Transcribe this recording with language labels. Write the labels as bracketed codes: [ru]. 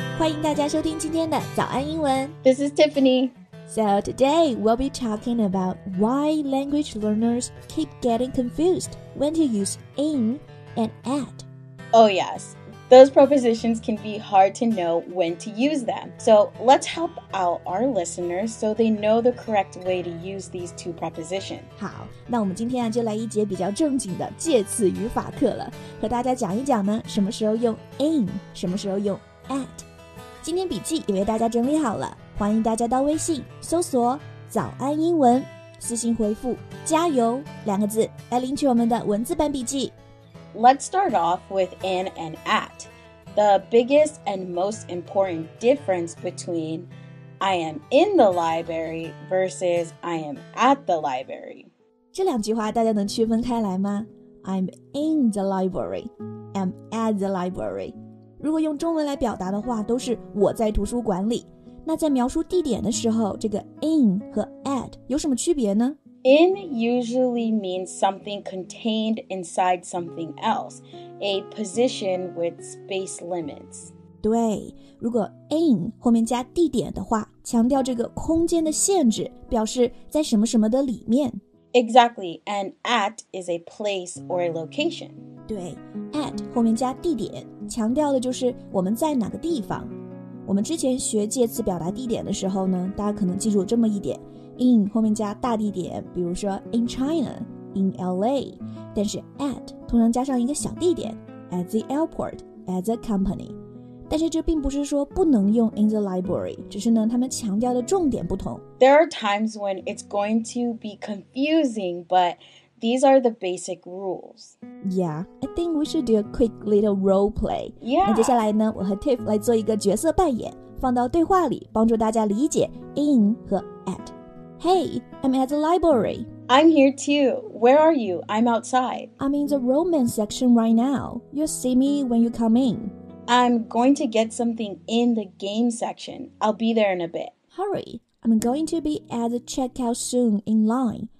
[zh] 欢迎大家收听今天的早安英文。 [en] This is Tiffany. So today, we'll be talking about why language learners keep getting confused when to use in and at. Oh, yes. Those prepositions can be hard to know when to use them. So let's help out our listeners so they know the correct way to use these two prepositions. [zh] 好，那我们今天啊就来一节比较正经的介词语法课了，和大家讲一讲呢，什么时候用 in， 什么时候用 at。今天笔记也为大家整理好了，欢迎大家到微信搜索“早安英文”，私信回复“加油”两个字来领取我们的文字版笔记。 [en] Let's start off with in and at. The biggest and most important difference between I am in the library versus I am at the library. [zh] 这两句话大家能区分开来吗？ [en] I'm in the library, I'm at the library. [zh] 如果用中文来表达的话都是我在图书馆里。那在描述地点的时候，这个 in 和 at 有什么区别呢？ [en] In usually means something contained inside something else, a position with space limits. [zh] 对，如果 in 后面加地点的话，强调这个空间的限制，表示在什么什么的里面。 [en] Exactly, and at is a place or a location. [zh] 对， at 后面加地点，强调的就是我们在哪个地方。我们之前学介词表达地点的时候呢，大家可能记住这么一点。 In 后面加大地点，比如说 in China, in LA, 但是 at 通常加上一个小地点 at the airport, at the company. 但是这并不是说不能用 in the library, 只是呢他们强调的重点不同。 [en] There are times when it's going to be confusing, but these are the basic rules. Yeah, I think we should do a quick little role play. Yeah. [zh] 那接下来呢我和 Tiff 来做一个角色扮演，放到对话里帮助大家理解 in 和 at。 [en] Hey, I'm at the library. I'm here too. Where are you? I'm outside. I'm in the romance section right now. You'll see me when you come in. I'm going to get something in the game section. I'll be there in a bit. Hurry. I'm going to be at the checkout soon in line.